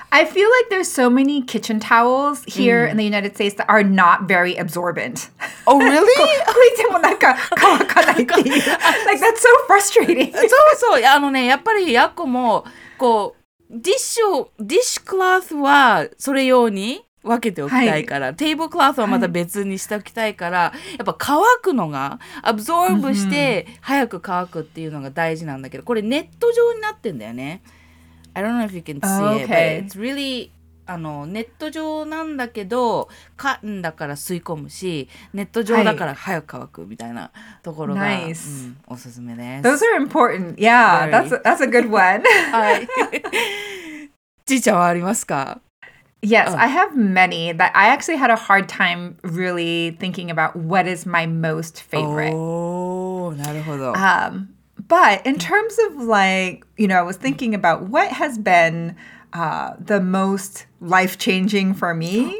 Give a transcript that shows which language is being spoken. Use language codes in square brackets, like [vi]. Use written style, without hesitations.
[en] I feel like there's so many kitchen towels here、mm. in the United States that are not very absorbent. Oh, really? Like, that's so frustrating. [ja] そうそう。あのね、やっぱりヤコもこうディッシュクロスはそれ用に分けておきたいから、はい、テーブルクロスはまた別にしておきたいから、はい、やっぱ乾くのがアブゾーブして早く乾くっていうのが大事なんだけど、これネット上になってんだよね。 I don't know if you can see、 okay. [en] it but it's really [ja] あのネット上なんだけどカッンだから吸い込むしネット上だから早く乾くみたいなところが、はい、うん、おすすめです。 [en] Those are important. Yeah, that's a good one. 、 [ja] はい、じいちゃんはありますか？ [en] Yes, I have many, but I actually had a hard time really thinking about what is my most favorite. [ja] Oh, なるほど。 [en] But in terms of like, you know, I was thinking about what has been the most life-changing for me.